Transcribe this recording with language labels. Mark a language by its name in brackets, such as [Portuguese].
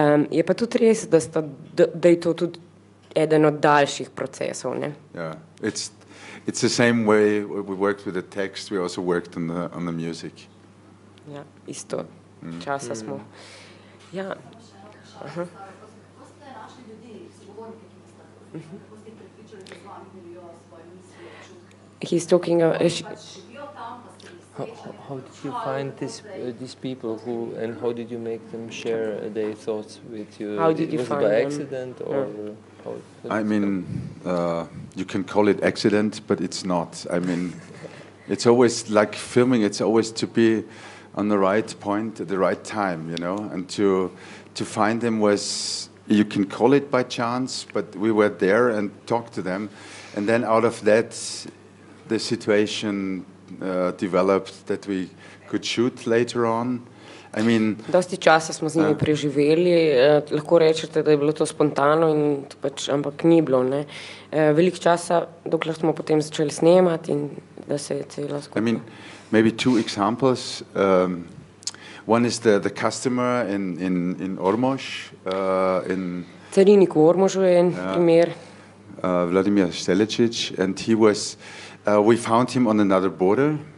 [Slovenian] Je pa tudi res, da, sta, da je to tudi eden od daljših procesov, ne? [English] Yeah, it's the same way we worked with the text, we also worked on the music. [Slovenian] Ja, isto, časa smo. Ja. [English] He's talking about... How did you find these people who, and how did you make them share their thoughts with you? How did you find them? Was it by accident or? I mean, you can call it accident, but it's not. I mean, it's always like filming. It's always to be on the right point at the right time, you know. And to find them was, you can call it by chance, but we were there and talked to them, and then out of that, the situation. Developed that we could shoot later on. I mean, [Slovenian] dosti časa smo z njimi preživeli, lahko rečete, da je bilo to spontano in to pač, ampak ni bilo, ne. Velik časa, dokler smo potem začeli snemati in da se je celo skupaj. [English] I mean, maybe two examples. One is the customer in Ormož, in [Slovenian] Cariniku v Ormožu je en primer. [English] Vladimir Stelečić, and he was we found him on another border.